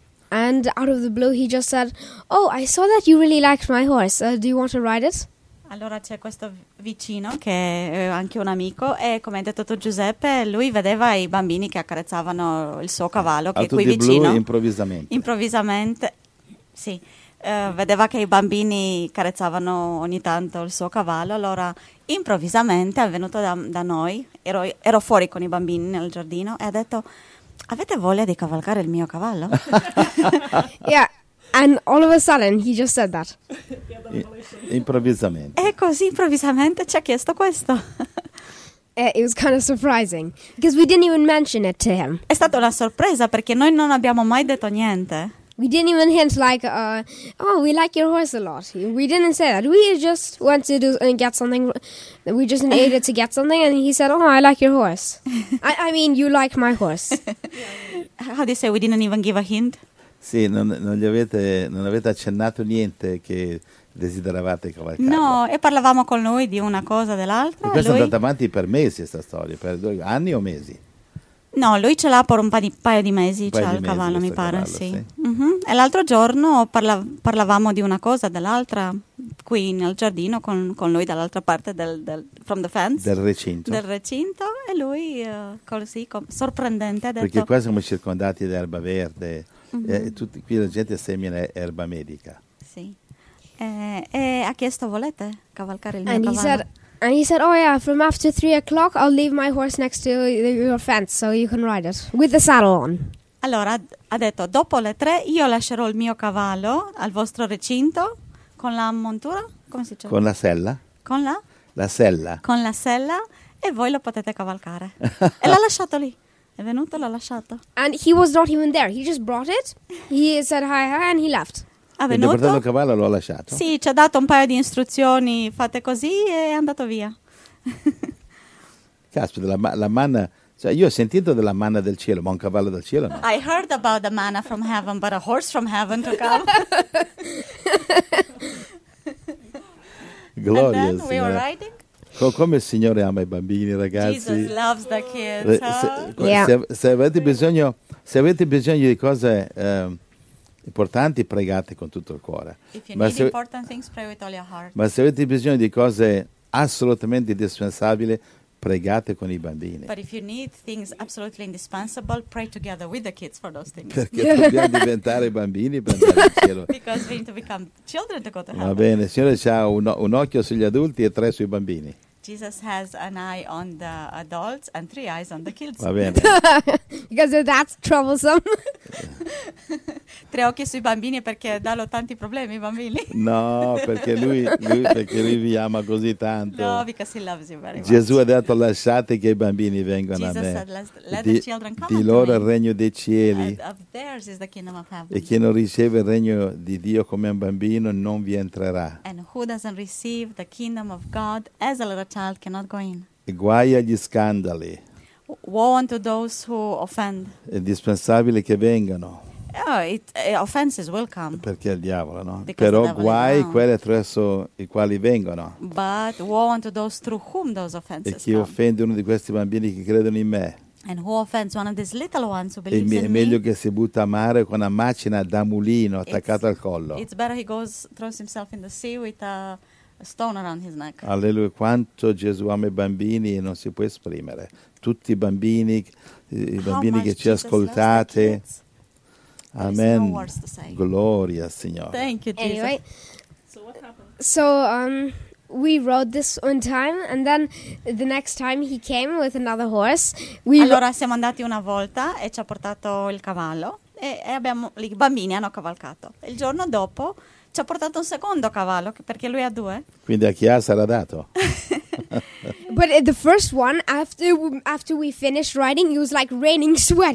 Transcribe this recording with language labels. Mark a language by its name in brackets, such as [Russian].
[English] And out of the blue he just said, "Oh, I saw that you really liked my horse. Do you want to ride it?" [Italian] Allora c'è questo vicino che è anche un amico e come ha detto Giuseppe, lui vedeva i bambini che accarezzavano il suo cavallo che [English] out [Italian] è qui vicino. [English] Out of the blue, improvvisamente. [Italian] Improvvisamente. Sì. Vedeva che i bambini carezzavano ogni tanto il suo cavallo, allora improvvisamente è venuto da noi, ero fuori con i bambini nel giardino e ha detto: "Avete voglia di cavalcare il mio cavallo?" [English] Yeah, and all of a sudden he just said that. [Italian] Improvvisamente. E così improvvisamente ci ha chiesto questo. [English] It was kind of surprising because we didn't even mention it to him. [Italian] È stata una sorpresa perché noi non abbiamo mai detto niente. [English] We didn't even hint like, "Oh, we like your horse a lot." We didn't say that. We just went to get something. We just needed to get something, and he said, "Oh, I like your horse." I mean, you like my horse. How do you say? We didn't even give a hint. [Italian] Sì, non avete accennato niente che desideravate cavalcarlo. No, e parlavamo con lui di una cosa dell'altra. E questo lui... è andato avanti per mesi questa storia, per due anni o mesi. No, lui ce l'ha per un paio di mesi, c'ha il cavallo, mi pare, cavallo, sì. E l'altro giorno parlavamo di una cosa dell'altra qui nel giardino con lui dall'altra parte del [English] from the fence. [Italian] Del recinto e lui così sorprendente ha detto. Perché qua siamo circondati da erba verde, qui la gente semina erba medica. Sì. E ha chiesto: "Volete cavalcare il mio [English] and [Italian] cavallo?" [English] And he said, "Oh yeah, from after 3 o'clock, I'll leave my horse next to your fence so you can ride it with the saddle on." [Italian] Allora ha detto: "Dopo le tre io lascerò il mio cavallo al vostro recinto con la montura, come si chiama? Con la sella. Con la? La sella. Con la sella e voi lo potete cavalcare." E l'ha lasciato lì. È venuto, l'ha lasciato. [English] And he was not even there. He just brought it. He said hi and he left. [Italian] Quindi ha portato il cavallo, lo ha lasciato. Sì, ci ha dato un paio di istruzioni, fate così e è andato via. Caspita, la manna, cioè io ho sentito della manna del cielo, ma un cavallo dal cielo no. [English] I heard about the manna from heaven, but a horse from heaven to come. [Italian] Gloria, [English] and then we were riding. [Italian] Come il Signore ama i bambini, ragazzi. [English] Jesus loves the kids, huh? [Italian] Se avete bisogno di cose... importanti, pregate con tutto il cuore. Ma se avete bisogno di cose assolutamente indispensabili, pregate con i bambini. [English] But if you need things absolutely indispensable, pray together with the kids for those things. [Italian] Perché dobbiamo diventare bambini per andare al cielo. [English] Because we need to become children to go to heaven. [Italian] Va bene, il Signore ha un occhio sugli adulti e tre sui bambini. [English] Jesus has an eye on the adults and three eyes on the kids. [Italian] Va bene. [English] Because that's troublesome. [Italian] Tre occhi sui bambini perché danno tanti problemi i bambini. No, perché lui vi ama così tanto. [English] No, because he loves you very much. [Italian] Gesù ha detto: "Lasciate che i bambini vengano a me." [English] Jesus said, "Let the children come to me." [Italian] Di loro il regno dei cieli. [English] And of theirs is the kingdom of heaven. [Italian] E chi non riceve il regno di Dio come un bambino non vi entrerà. [English] And who doesn't receive the kingdom of God as a little child cannot go in. [Italian] E guai agli scandali. [English] Woe unto those who offend. [Italian] È indispensabile che vengano. [English] Oh, offenses will come. [Italian] Perché è il diavolo, no? [English] Because [Italian] però guai quelli attraverso i quali vengono. [English] But woe unto those through whom those offenses come. [Italian] E chi offende uno di questi bambini che credono in me. [English] And who offends one of these little ones who believes in me. [Italian] È meglio che si butta a mare con una macina da mulino attaccata al collo. [English] It's better he goes throws himself in the sea with a stone around his neck. [Italian] Alleluia, quanto Gesù ama i bambini e non si può esprimere. Tutti i bambini che ci ascoltate. Amen. [English] No words to say. [Italian] Gloria, Signore. [English] Thank you, Jesus. Anyway, so what happened? So we rode this one time, and then the next time he came with another horse. [Italian] Allora siamo andati una volta e ci ha portato il cavallo e abbiamo i bambini hanno cavalcato. Il giorno dopo ci ha portato un secondo cavallo perché lui ha due. Quindi a chi ha sarà dato. [English] But the first one after we finished riding, it was like raining sweat.